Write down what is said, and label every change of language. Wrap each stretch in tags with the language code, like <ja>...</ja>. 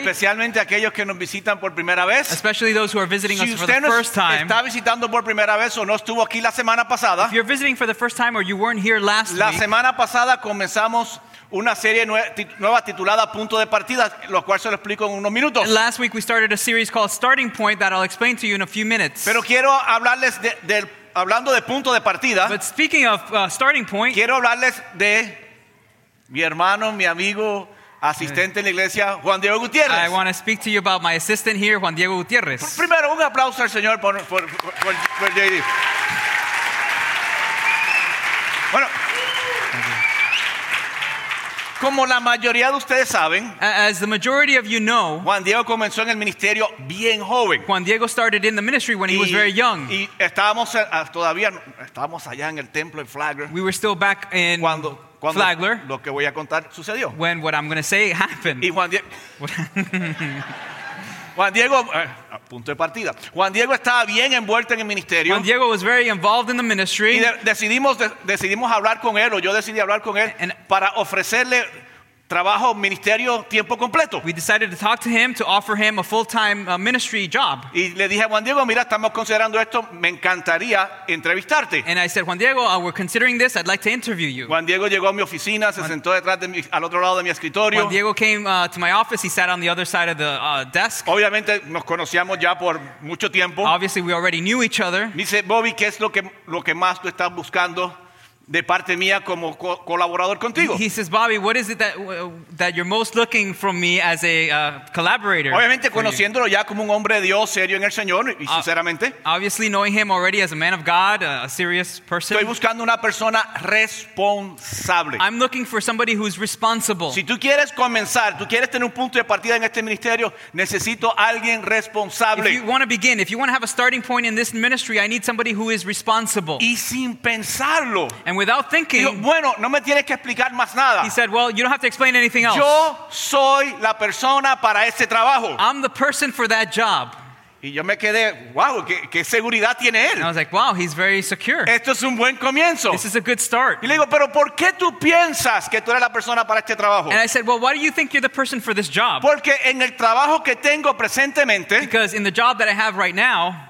<es>Especialmente aquellos que nos visitan por primera vez.</es> <en>Especially those who are visiting us for the first time.</en> <es>Si usted está visitando por primera vez o no estuvo aquí la semana pasada.</es> <en>If you're visiting for the first time or you weren't here last week.</en> <es>La semana pasada comenzamos una serie nueva titulada Punto de Partida, lo cual se lo explico en unos minutos.</es> <en>Last week we started a series called Starting Point that I'll explain to you in a few minutes.</en> <es>Pero quiero hablarles hablando de punto de partida.</es> <en>But speaking of starting point.</en> <es>Quiero hablarles de mi hermano, mi amigo, asistente en la iglesia, Juan Diego Gutiérrez.</es> <en>I want to speak to you about my assistant here, Juan Diego Gutiérrez.</en> <es>Primero, un aplauso al señor por JD. Bueno, como la mayoría de ustedes saben,</es> <en>as the majority of you know,</en> <es>Juan Diego comenzó en el ministerio bien joven.</es> <en>Juan Diego started in the ministry when he was very young.</en> <es>Y estábamos allá en el templo en Flagler.</es> <en>We were still back in</en> <es>cuando</es> <en>Flagler,</en> <es>lo que voy a contar sucedió.</es> <en>When what I'm going to say happened.</en> <es>Y Juan Diego, Juan Diego, punto de partida. Juan Diego estaba bien envuelto en el ministerio.</es> <en>Juan Diego was very involved in the ministry.</en> <es>Y decidimos hablar con él, o yo decidí hablar con él, para ofrecerle trabajo ministerio tiempo completo.</es> <en>We decided to talk to him to offer him a full-time ministry job.</en> <es>Y le dije a Juan Diego, mira, estamos considerando esto, me encantaría entrevistarte.</es> <en>And I said, Juan Diego, we're considering this, I'd like to interview you.</en> <es>Juan Diego llegó a mi oficina, se sentó detrás de mí, al otro lado de mi escritorio.</es> <en>Juan Diego came to my office, he sat on the other side of the desk.</en> <es>Obviamente nos conocíamos ya por mucho tiempo.</es> <en>Obviously we already knew each other.</en> <es>Me dice, Bobby, ¿qué es lo que más tú estás buscando de parte mía como colaborador contigo?</es> <en>He says, Bobby, what is it that you're most looking from me as a collaborator?</en> <es>Obviamente conociéndolo ya como un hombre de Dios, serio en el Señor, y sinceramente.</es> <en>Obviously knowing him already as a man of God, a serious person.</en> <es>Estoy buscando una persona responsable.</es> <en>I'm looking for somebody who's responsible.</en> <es>Si tú quieres comenzar, tú quieres tener un punto de partida en este ministerio, necesito alguien responsable.</es> <en>If you want to begin, if you want to have a starting point in this ministry, I need somebody who is responsible.</en> <es>Y sin pensarlo.</es> <en>And without thinking,</en> <es>dijo, bueno, no me tienes que explicar más nada.</es> <en>He said, well, you don't have to explain anything else.</en> <es>Yo soy la persona para ese trabajo.</es> <en>I'm the person for that job.</en> <es>Y yo me quedé, wow, qué seguridad tiene él.</es> <en>And I was like, wow, he's very secure.</en> <es>Esto es un buen comienzo.</es> <en>This is a good start.</en> <es>Y le digo, pero ¿por qué tú piensas que tú eres la persona para este trabajo?</es> <en>And I said, well, why do you think you're the person for this job?</en> <es>Porque en el trabajo que tengo presentemente,</es> <en>because in the job that I have right now,</en>